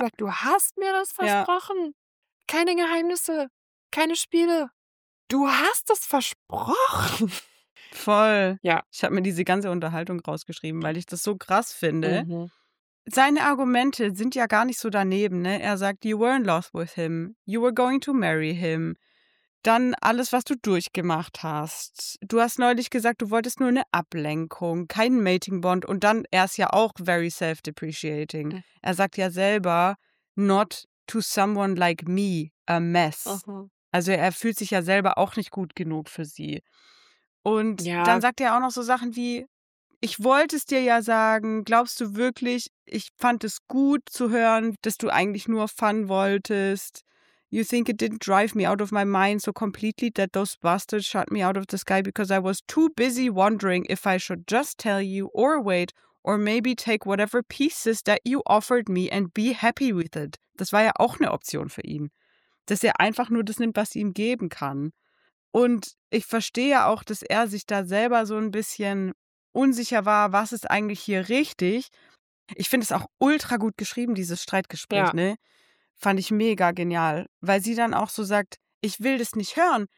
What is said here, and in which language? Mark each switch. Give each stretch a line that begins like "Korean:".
German: Sagt, du hast mir das versprochen. Ja. Keine Geheimnisse, keine Spiele. Du hast es versprochen. Voll. Ja. Ich habe mir diese ganze Unterhaltung rausgeschrieben, weil ich das so krass finde. Seine Argumente sind ja gar nicht so daneben, ne? Er sagt,
English: you were in love with him, you were going to marry him.
German: Dann alles, was du durchgemacht hast. Du hast neulich gesagt, du wolltest nur eine Ablenkung, keinen Mating Bond. Und dann, er ist ja auch
English: very self-depreciating.
German: Er sagt ja selber,
English: not to someone like me, a mess.
German: Uh-huh. Also er fühlt sich ja selber auch nicht gut genug für sie. Und dann sagt er auch noch so Sachen wie, ich wollte es dir ja sagen, glaubst du wirklich, ich fand es gut zu hören, dass du eigentlich nur Fun wolltest.
English: You think it didn't drive me out of my mind so completely that those bastards shot me out of the sky because I was too busy wondering if I should just tell you or wait or maybe take whatever pieces that you offered me and be happy with it.
German: Das war ja auch eine Option für ihn, dass er einfach nur das nimmt, was ihm geben kann. Und ich verstehe ja auch, dass er sich da selber so ein bisschen unsicher war, was ist eigentlich hier richtig. Ich finde es auch ultra gut geschrieben, dieses Streitgespräch, ne? Fand ich mega genial, weil sie dann auch so sagt, ich will das nicht hören.